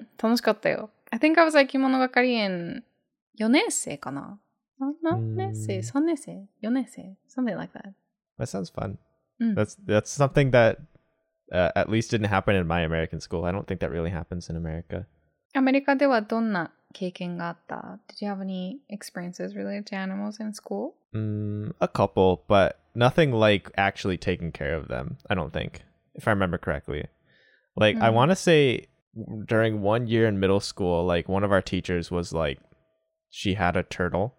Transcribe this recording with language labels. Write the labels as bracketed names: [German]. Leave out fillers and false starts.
[Japanese] 楽しかったよ。 [English] I think I was ikimono kakari in... [Japanese] 4年生かな?何年生?3年生?4年生? [English] Something like that. That sounds fun. That's something that at least didn't happen in my American school. I don't think that really happens in America. [Japanese] アメリカではどんな経験があった? [English] Did you have any experiences related to animals in school? A couple, but nothing like actually taking care of them, I don't think, if I remember correctly. Like, I want to say during one year in middle school, like, one of our teachers was like, she had a turtle.